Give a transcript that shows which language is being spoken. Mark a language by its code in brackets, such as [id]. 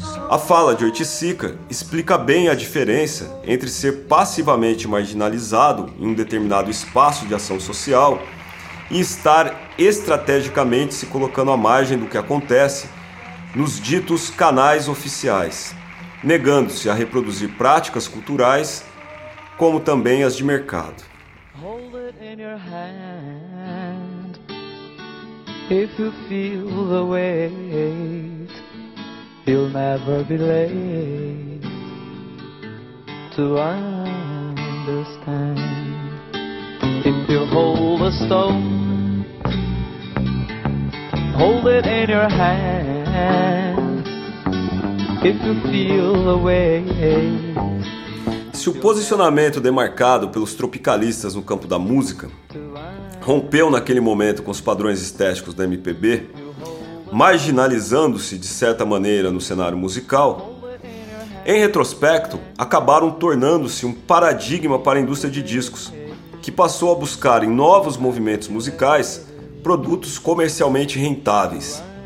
[pt] A fala de Oiticica explica bem a diferença entre ser passivamente marginalizado em um determinado espaço de ação social e estar estrategicamente se colocando à margem do que acontece nos ditos canais oficiais, negando-se a reproduzir práticas culturais como também as de mercado. [en] Hold it in your hand, if you feel the weight, you'll never be late to understand. If you hold a stone, hold it in your hand, if you feel the weight. [pt] Se o posicionamento demarcado pelos tropicalistas no campo da música rompeu naquele momento com os padrões estéticos da MPB, marginalizando-se de certa maneira no cenário musical, em retrospecto, acabaram tornando-se um paradigma para a indústria de discos, que passou a buscar em novos movimentos musicais produtos comercialmente rentáveis.